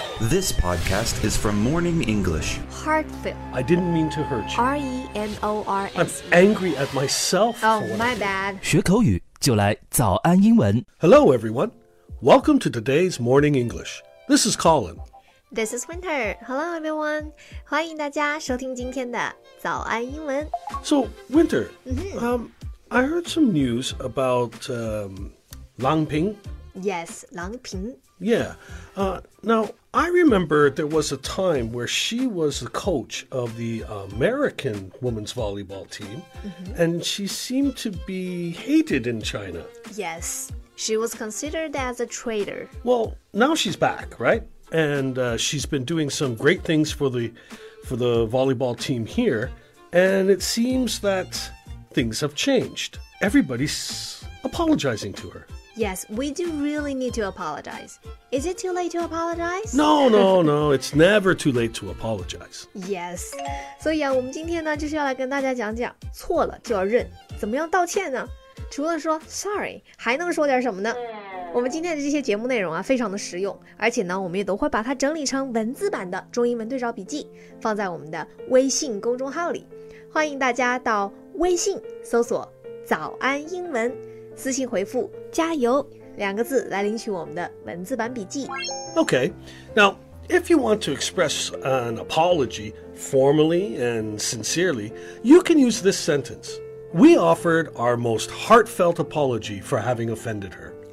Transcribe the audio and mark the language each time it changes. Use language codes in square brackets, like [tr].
[en] This podcast is from Morning English. Heartfelt. I didn't mean to hurt you. R-E-N-O-R-S. I'm angry at myself. Oh, my bad. [zh] 学口语就来早安英文。 [en] Hello, everyone. Welcome to today's Morning English. This is Colin. This is Winter. Hello, everyone. [zh] 欢迎大家收听今天的早安英文。 [en] So, Winter,、mm-hmm. I heard some news about Lang Ping. Yes, Lang Ping. Yeah. Now, I remember there was a time where she was the coach of the American women's volleyball team,、mm-hmm. and she seemed to be hated in China. Yes, she was considered as a traitor. Well, now she's back, right? And she's been doing some great things for the volleyball team here, and it seems that things have changed. Everybody's apologizing to her. Yes, we do really need to apologize. Is it too late to apologize? No. It's never too late to apologize. Yes. [zh] 所以啊，我们今天呢，就是要来跟大家讲讲，错了就要认，怎么样道歉呢？除了说 sorry, 还能说点什么呢？我们今天的这些节目内容啊，非常的实用，而且呢，我们也都会把它整理成文字版的中英文对照笔记，放在我们的微信公众号里。欢迎大家到微信搜索早安英文。私信回复加油两个字来领取我们的文字版笔记。 [en] Okay, now, if you want to express an apology formally and sincerely, you can use this sentence. We offered our most heartfelt apology for having offended her.